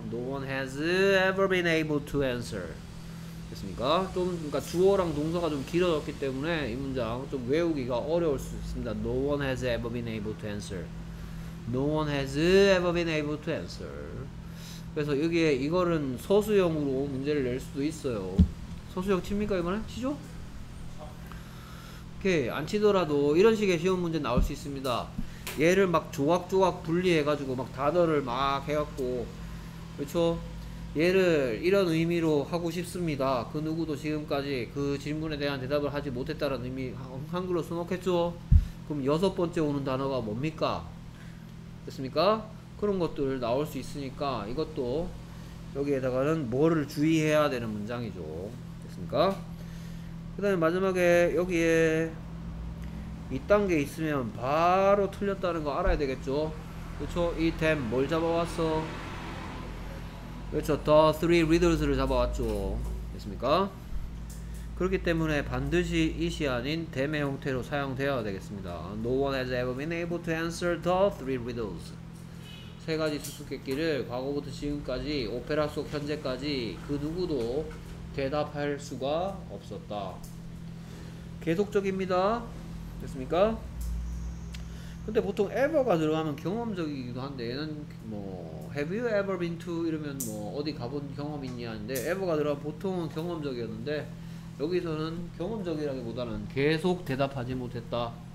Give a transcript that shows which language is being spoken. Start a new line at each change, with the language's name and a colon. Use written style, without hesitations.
English: No one has ever been able to answer.
Korean: 됐습니까? 좀 그러니까 주어랑 동사가 좀 길어졌기 때문에 이 문장 좀 외우기가 어려울 수 있습니다.
English: No one has ever been able to answer. No one has ever been able to answer.
Korean: 그래서 여기에 이거는 서술형으로 문제를 낼 수도 있어요. 서술형 칩니까 이번에? 치죠? 오케이. 안 치더라도 이런 식의 시험 문제 나올 수 있습니다. 얘를 막 조각조각 분리해가지고 막 단어를 막 해갖고 그렇죠? 얘를 이런 의미로 하고 싶습니다. 그 누구도 지금까지 그 질문에 대한 대답을 하지 못했다는 의미 한글로 써놓겠죠? 그럼 여섯 번째 오는 단어가 뭡니까? 됐습니까? 그런 것들 나올 수 있으니까 이것도 여기에다가는 뭐를 주의해야 되는 문장이죠. 됐습니까? 그 다음에 마지막에 여기에 이딴 게 있으면 바로 틀렸다는 거 알아야 되겠죠. 그쵸? 이 them 뭘 잡아왔어? 그쵸?
English: The three riddles
Korean: 를 잡아왔죠. 됐습니까? 그렇기 때문에 반드시 이시 아닌 대매 형태로 사용되어야 되겠습니다.
English: No one has ever been able to answer the three riddles.
Korean: 세 가지 수수께끼를 과거부터 지금까지 오페라 속 현재까지 그 누구도 대답할 수가 없었다. 계속적입니다. 됐습니까? 근데 보통 ever가 들어가면 경험적이기도 한데 얘는 뭐
English: have you ever been to
Korean: 이러면 뭐 어디 가본 경험 있냐 하는데 ever가 들어가면 보통은 경험적이었는데 여기서는 경험적이라기보다는 계속 대답하지 못했다.